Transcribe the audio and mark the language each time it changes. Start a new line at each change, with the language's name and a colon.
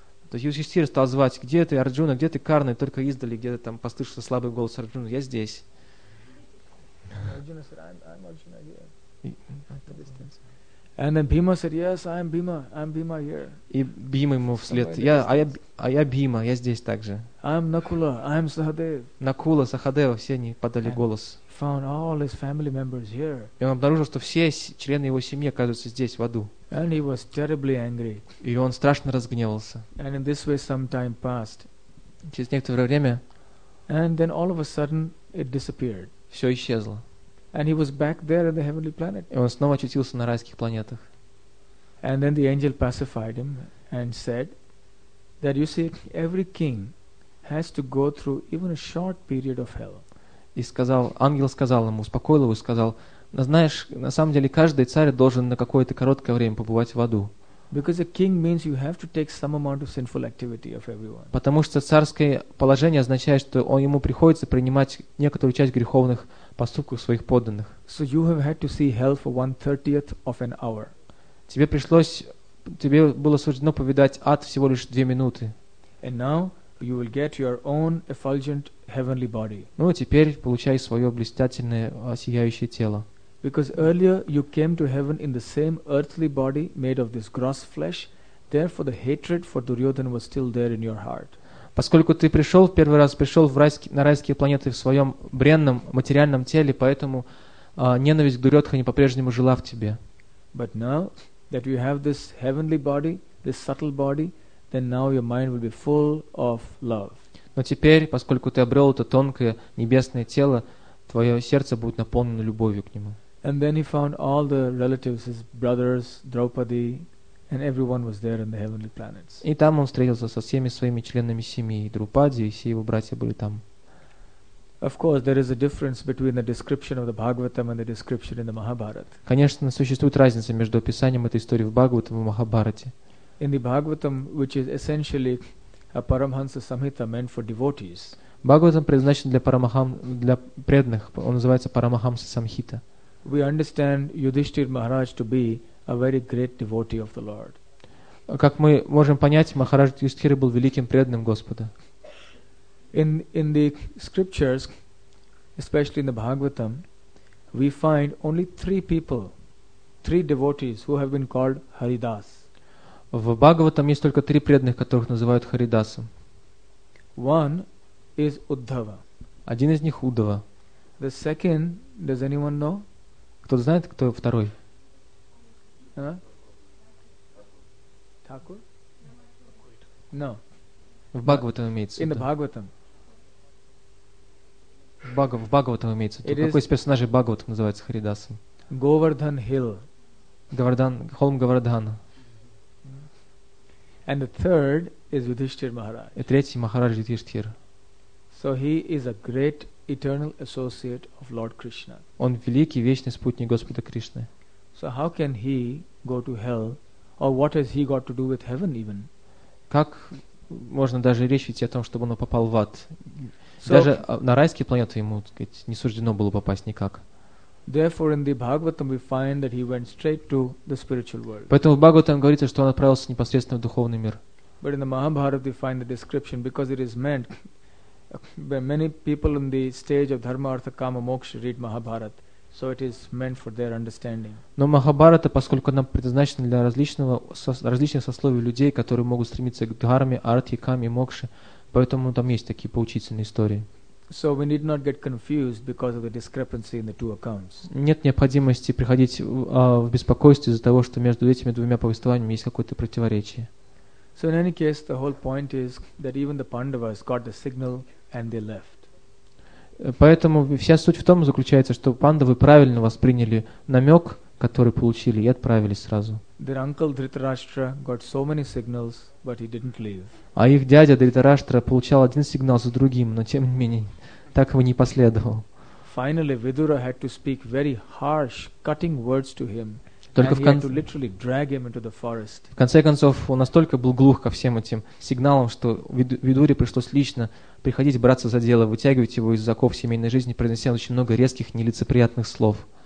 Russian: То есть Юдхиштхир стал звать, где ты, Арджуна, где ты, Карна? И только издали где-то там послышался слабый голос Арджуна, я здесь.
English: Arjuna said, I'm Arjuna here. And then Bhima said, "Yes, I am Bhima. I am Bhima here."
Russian: И Бхима ему вслед: "Я Бхима, я здесь также."
English: I am Nakula. I am Sahadev.
Russian: Накула, Сахадева, все они подали
English: and
Russian: голос.
English: Found all his family members here.
Russian: И он обнаружил, что все члены его семьи оказываются здесь, в аду.
English: And he was terribly angry.
Russian: И он страшно разгневался.
English: And in this way, some time passed.
Russian: Через некоторое время.
English: And then all of a sudden, it disappeared.
Russian: Все исчезло.
English: And he was back there in the heavenly planet.
Russian: И он снова очутился на райских планетах.
English: And then the angel pacified him and said that you see, every king has to go through even a short period of hell.
Russian: И сказал, ангел сказал ему, успокоил его и сказал: знаешь, на самом деле каждый царь должен на какое-то короткое время побывать в аду.
English: Because a king means you have to take some amount of sinful activity of everyone.
Russian: Потому что царское положение означает, что он ему приходится принимать некоторую часть греховных поступков своих подданных.
English: So you have had to see hell for 1/30 of an hour.
Russian: Тебе было суждено повидать ад всего лишь 2 минуты.
English: And now you will get your own effulgent heavenly body.
Russian: Ну теперь получай свое блестящее сияющее тело.
English: Because earlier you came to heaven in the same earthly body made of this gross flesh, therefore the hatred for Duryodhana was still there in your heart.
Russian: Поскольку ты пришел в первый раз, пришел на райские планеты в своем бренном материальном теле, поэтому ненависть к Дурьодхане по-прежнему жила в тебе.
English: But now that you have this heavenly body, this subtle body, then now your mind will be full of love.
Russian: Но теперь, поскольку ты обрел это тонкое небесное тело, твое сердце будет наполнено любовью к нему.
English: And then he found all the relatives, his brothers, Draupadi, and everyone was there in the heavenly planets.
Russian: И там он встретился со всеми своими членами семьи, Друпади, и все его братья были там.
English: Of course, there is a difference between the description of the Bhagavatam and the description in the Mahabharata.
Russian: Конечно, существует разница между описанием этой истории в Бхагаватам и Махабхарате.
English: In the Bhagavatam, which is essentially a Paramahansa Samhita meant for devotees.
Russian: Бхагаватам предназначен для преданных. Он называется Парамахамса Самхита.
English: We understand Yudhishthir Maharaj to be a very great devotee of the Lord.
Russian: Как мы можем понять, Махарадж Юдхиштхира был великим преданным Господа.
English: In the scriptures, especially in the Bhagavatam, we find only three devotees who have been called Haridas.
Russian: В Бхагаватам есть только три преданных, которых называют Харидасом.
English: One is Uddhava.
Russian: Один из них Уддхава.
English: The second, does anyone know?
Russian: Кто знает, кто второй?
English: Такур? No.
Russian: В Бхагаватам имеется.
English: In the Bhagavatam.
Russian: В Бхагаватам имеется. Какой из персонажей Бхагаватам называется Харидасом? Говардхан Хилл. Холм Говардхана.
English: And the third is Yudhishthir Maharaj.
Russian: И третий Махарадж Юдхиштхира.
English: So he is a great eternal associate of Lord Krishna.
Russian: Он великий вечный спутник Господа Кришны.
English: So how can he go to hell, or what has he got to do with heaven even?
Russian: Как можно даже речь идти о том, чтобы он попал в ад? So, даже на райские планеты ему, так сказать, не суждено было попасть никак.
English: Therefore, in the Bhagavatam we find that he went straight to the spiritual world.
Russian: Поэтому в Бхагаватам говорится, что он отправился непосредственно в духовный мир.
English: But in the Mahabharata we find the description because it is meant. Many people in the stage of dharma, artha, kama, moksha read Mahabharata, so it is meant for their understanding.
Russian: Но Махабхарата, поскольку она предназначена для различных сословий людей, которые могут стремиться к дхарме, артхе, каме, мокше, поэтому там есть такие поучительные истории.
English: So we need not get confused because of the discrepancy in the two accounts.
Russian: Нет необходимости приходить в беспокойство из-за того, что между этими двумя повествованиями есть какое-то противоречие.
English: So in any case, the whole point is that even the Pandavas got the signal and they left.
Russian: Поэтому вся суть в том заключается, что пандавы правильно восприняли намек, который получили, и отправились сразу.
English: Their uncle Dhritarashtra got so many signals, but he didn't leave.
Russian: А их дядя Дхритараштра получал один сигнал за другим, но тем не менее так его не последовал.
English: Finally, Vidura had to speak very harsh, cutting words to him. Только
Russian: в конце концов он настолько был глух ко всем этим сигналам, что Видуре пришлось лично приходить браться за дело, вытягивать его из оков семейной жизни, произнося очень много резких нелицеприятных слов.